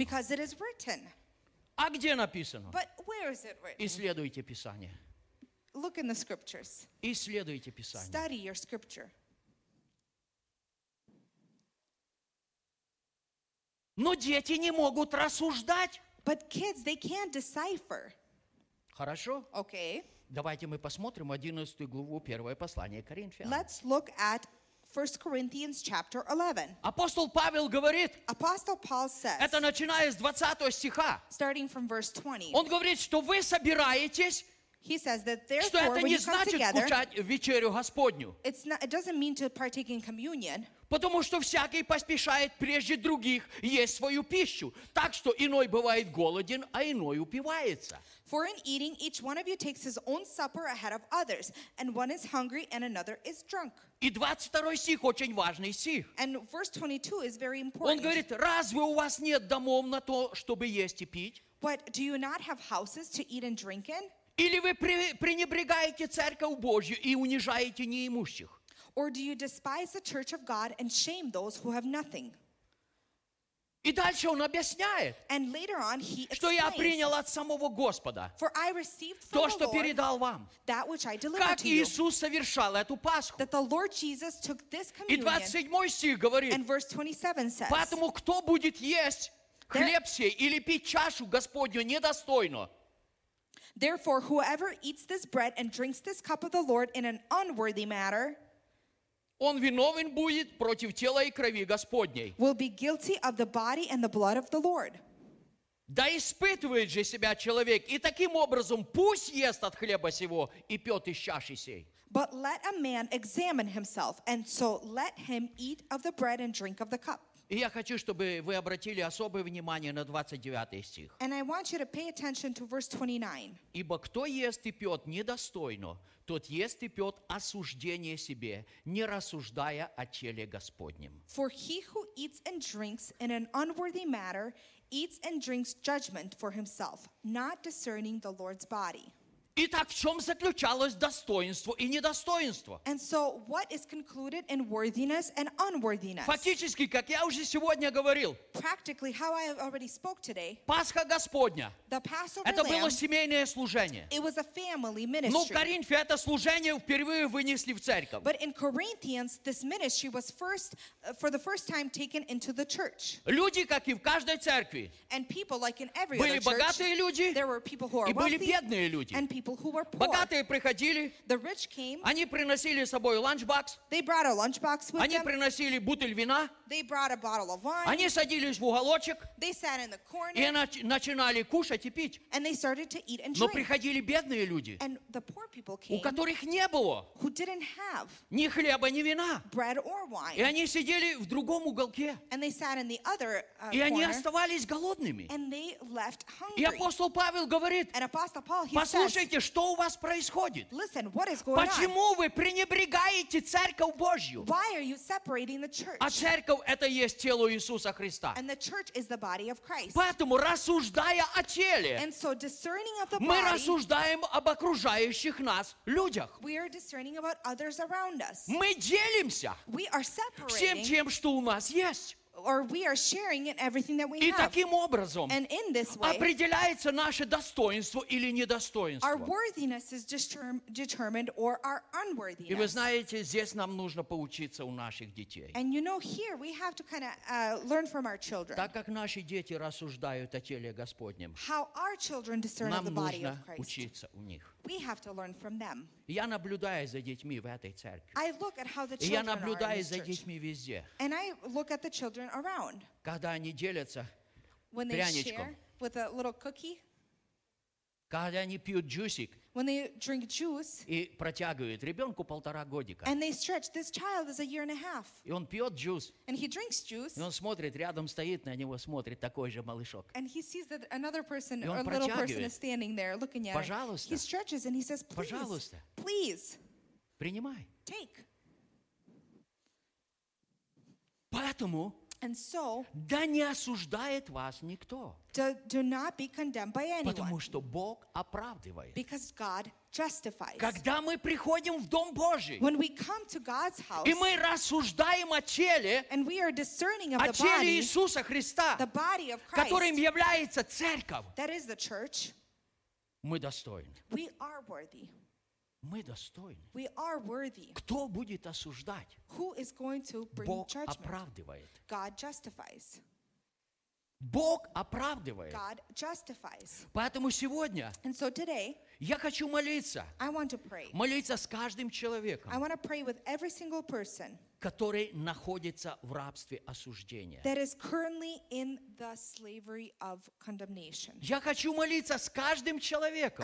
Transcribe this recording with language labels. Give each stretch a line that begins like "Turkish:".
English: Because it is written.
Russian: А где написано?
English: But where is it written?
Russian: Исследуйте Писание.
English: Look in the scriptures.
Russian: Исследуйте Писание.
English: Study your scripture.
Russian: Но дети не могут рассуждать.
English: But kids, they can't decipher.
Russian: Хорошо.
English: Okay.
Russian: Давайте мы посмотрим 11 главу 1 послания Коринфянам.
English: Let's look at 1 Corinthians chapter 11.
Russian: Апостол Павел говорит,
English: Apostle Paul says,
Russian: это начиная с 20 стиха,
English: starting from verse 20,
Russian: он говорит, что вы собираетесь,
English: he says that therefore,
Russian: что это
English: when
Russian: не
English: you come
Russian: значит
English: together,
Russian: кушать вечерю Господню.
English: It's not, it doesn't mean to partake in communion.
Russian: Потому что всякий поспешает прежде других есть свою пищу. Так что иной бывает голоден, а иной упивается.
English: For in eating, each one of you takes his own supper ahead of others, and one is hungry, and another is drunk.
Russian: И 22 стих очень важный стих.
English: And verse 22 is very important.
Russian: Он говорит, разве у вас нет домов на то, чтобы есть и пить?
English: But do you not have houses to eat and drink in?
Russian: Или вы пренебрегаете Церковь Божью и унижаете неимущих?
English: Or do you despise the church of God and shame those who have nothing?
Russian: И дальше он объясняет,
English: and later on he explains,
Russian: что я принял от самого Господа,
English: for I received from
Russian: то,
English: the
Russian: что
English: Lord,
Russian: передал вам,
English: that which I delivered
Russian: как Иисус
English: to
Russian: совершал эту Пасху.
English: That the Lord Jesus took this communion,
Russian: и 27 стих говорит,
English: and verse 27 says,
Russian: поэтому кто будет есть хлеб сей или пить чашу Господню недостойно,
English: therefore, whoever eats this bread and drinks this cup of the Lord in an unworthy manner,
Russian: он виновен будет против тела и крови Господней.
English: Will be guilty of the body and the blood of the Lord.
Russian: Да испытывает же себя человек, и таким образом пусть ест от хлеба сего и пьет из чаши сей.
English: But let a man examine himself, and so let him eat of the bread and drink of the cup.
Russian: И я хочу, чтобы вы обратили особое внимание на 29 стих.
English: And I want you to pay attention to verse 29.
Russian: Ибо кто ест и пьет недостойно, тот ест и пьет осуждение себе, не рассуждая о теле Господнем.
English: For he who eats and drinks in an unworthy manner eats and drinks judgment for himself, not discerning the Lord's body.
Russian: Итак, в чем заключалось достоинство и недостоинство?
English: And so, what is concluded in worthiness and unworthiness?
Russian: Фактически, как я уже сегодня говорил,
English: practically, how I have already spoke today,
Russian: Пасха Господня,
English: the Passover
Russian: это
English: lamb,
Russian: было семейное служение.
English: It was a family ministry.
Russian: Но в Коринфе это служение впервые вынесли в церковь.
English: But in Corinthians, this ministry was first, for the first time taken into the church.
Russian: Люди, как и в каждой церкви,
English: and people, like in every
Russian: были
English: other church,
Russian: богатые люди,
English: there were people who are
Russian: и были бедные люди.
English: People who were poor.
Russian: Богатые приходили,
English: the rich came,
Russian: они приносили с собой lunchbox,
English: they brought a lunchbox with
Russian: они
English: them,
Russian: приносили бутыль вина,
English: they brought a bottle of wine,
Russian: они садились в уголочек,
English: they sat in the corner,
Russian: и начинали кушать и пить.
English: And they started to eat and drink.
Russian: Но приходили бедные люди,
English: and the poor people came,
Russian: у которых не было
English: who didn't have
Russian: ни хлеба, ни вина,
English: bread or wine.
Russian: И они сидели в другом уголке,
English: and they sat in the other,
Russian: и они оставались голодными.
English: And they left hungry.
Russian: И апостол Павел говорит,
English: and Apostle Paul, he
Russian: послушайте, слушайте, что у вас происходит?
English: Listen, what is going
Russian: почему
English: on?
Russian: Вы пренебрегаете Церковь Божью?
English: Why are you separating the church?
Russian: А Церковь – это есть тело Иисуса Христа.
English: And the church is the body of Christ.
Russian: Поэтому, рассуждая о теле,
English: and so discerning of the body,
Russian: мы рассуждаем об окружающих нас людях.
English: We are discerning about others around us.
Russian: Мы делимся
English: we are separating
Russian: всем тем, что у нас есть.
English: Or we are sharing in everything that we
Russian: и
English: have.
Russian: Таким образом,
English: and in this way,
Russian: определяется наше достоинство или недостоинство.
English: Our worthiness is determined or our unworthiness.
Russian: И вы знаете, здесь нам нужно поучиться у наших детей.
English: And you know, here we have to kind of learn from our children.
Russian: Так как наши дети рассуждают о теле Господнем,
English: how our children discern the body of Christ.
Russian: Нам нужно учиться у них.
English: We have to learn from them.
Russian: Я наблюдаю за детьми в этой церкви.
English: I look at how the children
Russian: я наблюдаю
English: are in
Russian: за детьми везде.
English: And I look at the children around.
Russian: Когда они делятся
English: when
Russian: пряничком.
English: When they share with a little cookie.
Russian: Когда они пьют джусик.
English: when they drink juice,
Russian: и протягивают ребенку полтора годика.
English: And they stretch this child is a year and a half.
Russian: И он пьет джуз.
English: And he drinks juice.
Russian: И он смотрит, рядом стоит на него смотрит такой же малышок.
English: And he sees that another person or little person is standing there looking at.
Russian: Пожалуйста.
English: He stretches and he says, please.
Russian: Пожалуйста.
English: Please.
Russian: Принимай.
English: Take.
Russian: Поэтому.
English: And so,
Russian: да не осуждает вас никто.
English: Do not be condemned by anyone.
Russian: Потому что Бог оправдывает.
English: Because God justifies.
Russian: Когда мы приходим в дом Божий,
English: when we come to God's house,
Russian: и мы рассуждаем о теле,
English: and we are discerning of
Russian: о теле Иисуса Христа,
English: the body of Christ,
Russian: которым является церковь,
English: that is the church,
Russian: мы достойны.
English: We are worthy.
Russian: Мы достойны.
English: We are worthy.
Russian: Кто будет осуждать?
English: Who is going to bring
Russian: Бог
English: judgment?
Russian: Оправдывает.
English: God justifies.
Russian: Бог оправдывает.
English: God justifies.
Russian: Поэтому сегодня
English: and so today,
Russian: я хочу молиться.
English: I want to pray.
Russian: Молиться с каждым человеком.
English: I want to pray with every single person,
Russian: который находится в рабстве осуждения.
English: That is currently in the slavery of condemnation.
Russian: Я хочу молиться с каждым человеком.